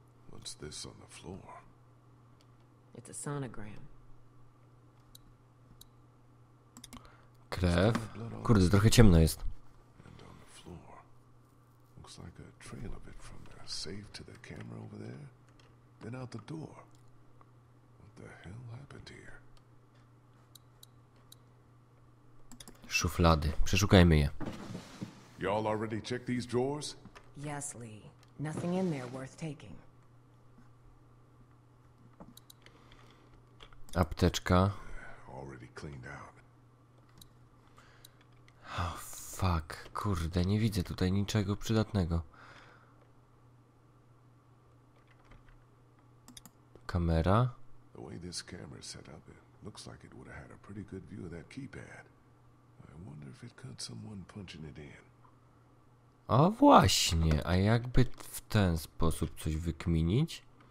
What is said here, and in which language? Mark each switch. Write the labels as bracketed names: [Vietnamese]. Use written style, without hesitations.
[English] What's this on the floor? It's a sonogram. [Polish] Krew. Kurde, trochę ciemno jest. [English] And on the floor. Looks like a trail of it from the safe to the camera over there. Then out the door. What the hell happened here? [Polish] Szuflady. Przeszukajmy je. [English] Y'all already checked these drawers? Yes, Lee. Nothing in there worth taking. [Polish] Apteczka. [English] Already cleaned out. Oh, fuck. [Polish] Kurde, nie widzę tutaj niczego przydatnego. Kamera. [English] The way this camera is set up, it looks like it would have had a pretty good view of that keypad. I wonder if it caught someone punching it in. [Polish] O właśnie, a jakby w ten sposób coś wykminić?